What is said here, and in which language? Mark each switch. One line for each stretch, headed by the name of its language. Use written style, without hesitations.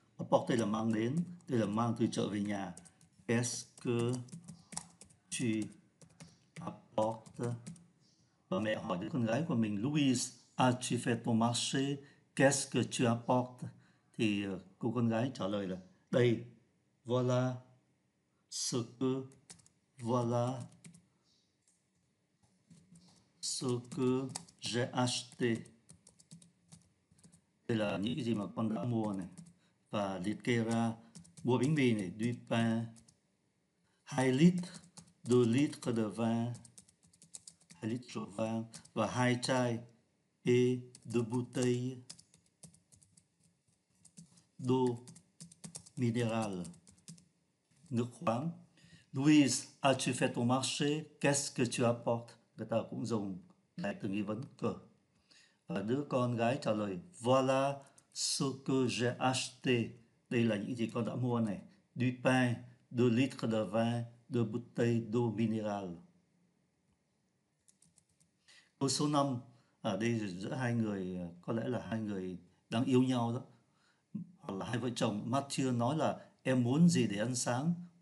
Vietnamese: Apporter đây là mang đến, đây là mang từ chợ về nhà.
French: Qu'est-ce que tu apportes?
Vietnamese: Và mẹ hỏi đứa con gái của mình, Louise,
French: as-tu fait ton marché? Qu'est-ce que tu apportes?
Vietnamese: Thì cô con gái trả lời là, đây,
French: voilà ce que j'ai acheté.
Vietnamese: Đây là những cái gì mà con đã mua này. Và liệt kê ra, mua bánh mì này,
French: du pain,
Vietnamese: 2 lít, 2 lít de vin, 2 lít rượu vang và hai chai
French: et de bouteille d'eau minérale,
Vietnamese: nước khoáng.
French: Louise, as-tu fait ton marché? Qu'est-ce que tu apportes?
Vietnamese: Người ta cũng dùng đại từ nghi vấn cơ. Và đứa con gái trả lời,
French: voilà ce que j'ai acheté.
Vietnamese: Đây là những gì con đã mua này.
French: Du pain, 2 litres de vin, 2 bouteilles d'eau minérale.
Vietnamese: Câu số 5, ở đây giữa hai người, có lẽ là hai người đang yêu nhau đó. Hoặc là hai vợ chồng. Mathieu nói là em muốn gì để ăn sáng?